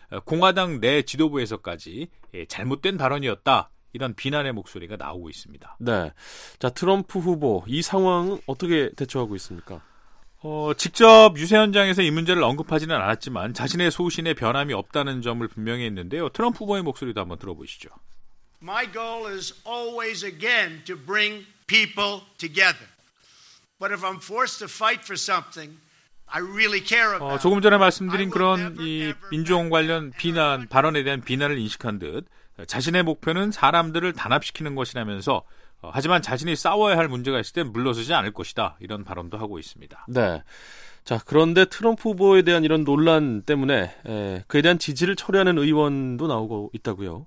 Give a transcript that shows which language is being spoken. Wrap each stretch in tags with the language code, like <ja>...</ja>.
<ko>공화당 내 지도부에서까지 잘못된 발언이었다 이런 비난의 목소리가 나오고 있습니다. 네, 자 트럼프 후보 이 상황 어떻게 대처하고 있습니까? 직접 유세 현장에서 이 문제를 언급하지는 않았지만 자신의 소신에 변함이 없다는 점을 분명히 했는데요. 트럼프 후보의 목소리도 한번 들어보시죠.</ko> <en>My goal is always again to bring people together. But if I'm forced to fight for something I really care about.</en> <ko>조금 전에 말씀드린 그런 이 민주화 관련 비난 발언에 대한 비난을 인식한 듯 자신의 목표는 사람들을 단합시키는 것이라면서 하지만 자신이 싸워야 할 문제가 있을 땐 물러서지 않을 것이다. 이런 발언도 하고 있습니다. 네. 자, 그런데 트럼프 후보에 대한 이런 논란 때문에 그에 대한 지지를 철회하는 의원도 나오고 있다고요.</ko>